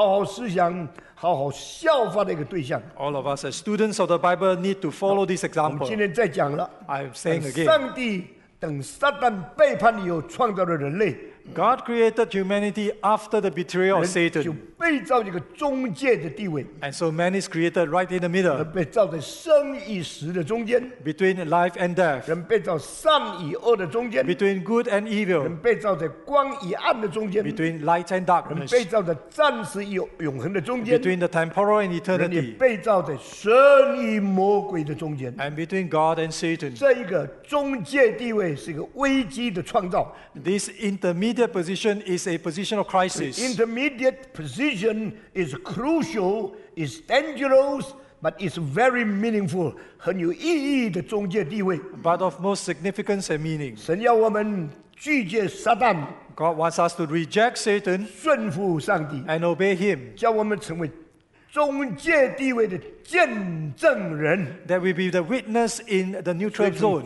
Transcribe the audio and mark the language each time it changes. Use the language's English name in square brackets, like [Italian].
[Chinese] 这是我们学习圣经的人应当好好思想、好好效法的一个对象。 [English] All of us as students of the Bible need to follow this example. [Chinese] 我们今天再讲了。 [English] I'm saying again. [Chinese] 上帝等撒旦背叛以后创造了人类。 [English] God created humanity after the betrayal of Satan. [Chinese] 被造一个中介的地位。 [English] And so man is created right in the middle. [Chinese] 人被造在生与死的中间。 [English] Between life and death. [Chinese] 人被造善与恶的中间。 [English] Between good and evil. [Chinese] 人被造在光与暗的中间。 [English] Between light and darkness. [Chinese] 人被造在暂时与永恒的中间。 [English] Between the temporal and eternity. [Chinese] 人也被造在神与魔鬼的中间。 [English] And between God and Satan. [Chinese] 这一个中介地位是一个危机的创造。 [English] This intermediate position is a position of crisis. Intermediate position is crucial, is dangerous, but it's very meaningful, [Chinese] 很有意义的中介地位。 [English] But of most significance and meaning. [Chinese] 神要我们拒绝撒旦。 [English] God wants us to reject Satan, [Chinese] 顺服上帝。 [English] And obey him. [Chinese] 叫我们成为中介地位的见证人。 [English] That we be the witness in the neutral zone.